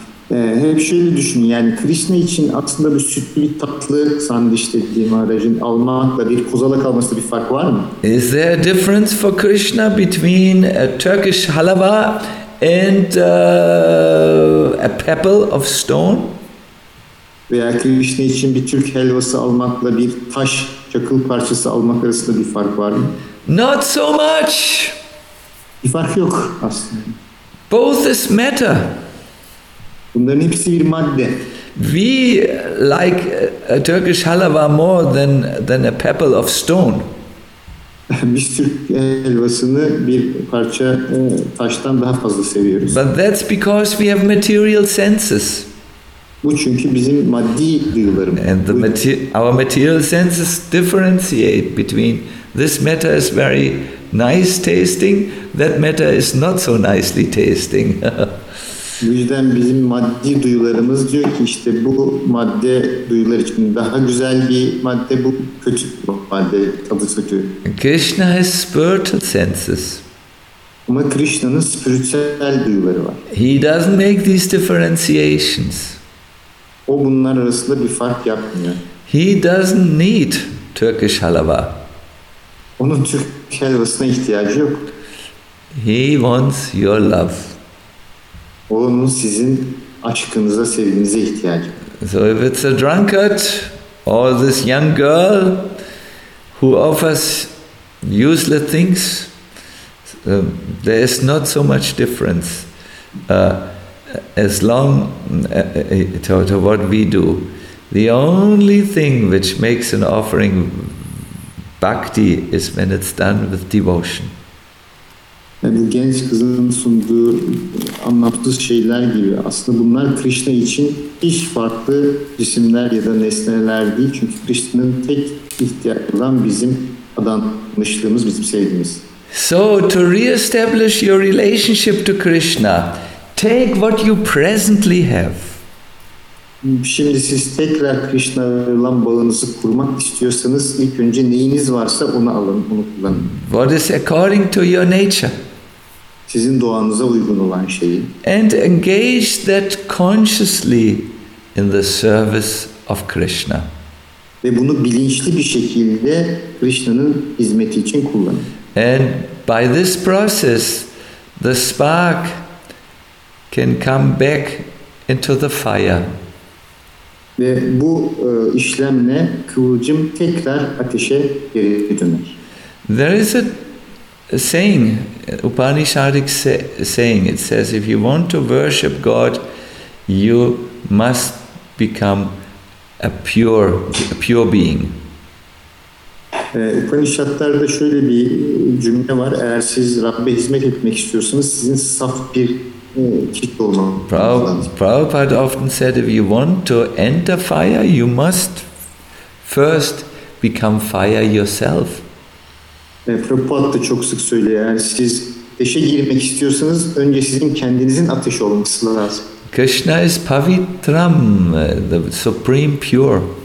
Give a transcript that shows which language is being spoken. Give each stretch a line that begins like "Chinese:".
Turkish: Hep şöyle düşünün, yani Krishna için aslında bir sütlü bir tatlı sandesh dediğim aracın almakla bir kozalak alması bir fark var mı?
English: Is there a difference for Krishna between a Turkish halava and a pebble of stone?
Turkish: Veya Krishna için bir Türk helvası almakla bir taş çakıl parçası almak arasında bir fark var mı?
English: Not so much.
Turkish: Bir fark yok aslında.
English: Both is matter.
Turkish: Bunların hepsi bir madde.
English: We like a Turkish halva more than a pebble of stone.
Turkish: Biz Türk helvasını bir parça taştan daha fazla seviyoruz.
English: But that's because we have material senses.
Turkish: Bu çünkü bizim maddi duyularımız.
English: And our material senses differentiate between this matter is very nice tasting, that matter is not so nicely tasting.
Turkish: Bu yüzden bizim maddi duyularımız diyor ki işte bu madde duyular için daha güzel bir madde, bu kötü bir madde, tadı kötü.
English: Krishna has spiritual senses.
Turkish: Ama Krishna'nın spiritüel duyuları var.
English: He doesn't make these differentiations.
Turkish: O bunlar arasında bir fark yapmıyor.
English: He doesn't need Turkish halva.
Turkish: Onun Türk helvasına ihtiyacı yok.
English: He wants your love.
Turkish: onun sizin aşkınıza, sevginize ihtiyacı.
English: So if it's a drunkard or this young girl who offers useless things, there is not so much difference as long to what we do. The only thing which makes an offering bhakti is when it's done with devotion.
Turkish: Yani genç kızın sunduğu, anlattığı şeyler gibi aslında bunlar Krishna için hiç farklı cisimler ya da nesneler değil. Çünkü Krishna'nın tek ihtiyacı olan bizim adanmışlığımız, bizim sevgimiz.
English: So to re-establish your relationship to Krishna, take what you presently have.
Turkish: Şimdi siz tekrar Krishna'yla bağınızı kurmak istiyorsanız ilk önce neyiniz varsa onu alın, onu kullanın.
English: What is according to your nature?
Turkish: Sizin doğanıza uygun olan şeyi.
English: And engage that consciously in the service of Krishna.
Turkish: Ve bunu bilinçli bir şekilde Krishna'nın hizmeti için kullanın.
English: And by this process the spark can come back into the fire.
Turkish: Ve bu işlemle kıvılcım tekrar ateşe geri döner.
English: There is a saying, Upanishadic saying, it says if you want to worship God, you must become a pure being.
Turkish: Upanishad'larda şöyle bir cümle var. Eğer siz Rabb'e hizmet etmek istiyorsunuz, sizin saf bir kitle olmanız.
English: Prabhupada often said if you want to enter fire, you must first become fire yourself.
Turkish: Prabhupada da çok sık söylüyor. Eğer siz ateşe girmek istiyorsanız önce sizin kendinizin ateş olması lazım.
English: Krishna is pavitram, the supreme pure.